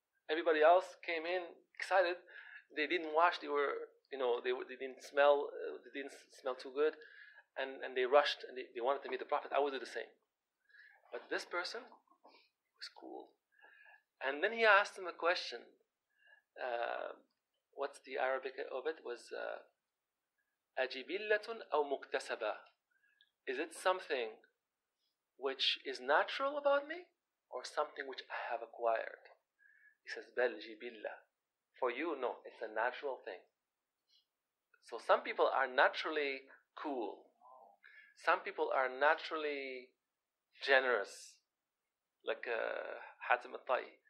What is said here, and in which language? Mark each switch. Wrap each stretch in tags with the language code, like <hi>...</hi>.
<en>Everybody else came in excited, they didn't wash, they didn't smell too good. And they rushed, and they wanted to meet the Prophet. I would do the same. But this person was cool. And then he asked him a question. What's the Arabic of it?</en> <ar>Was أَجِبِلَّةٌ أَوْ مُكْتَسَبَةٌ.</ar> <en>Is it something which is natural about me, or something which I have acquired? He says,</en> <ar>بَلْ جِبِلَّةٌ.</ar> <en>For you, no, it's a natural thing. So some people are naturally cool. Some people are naturally generous, like Hatim al-Tai.</en>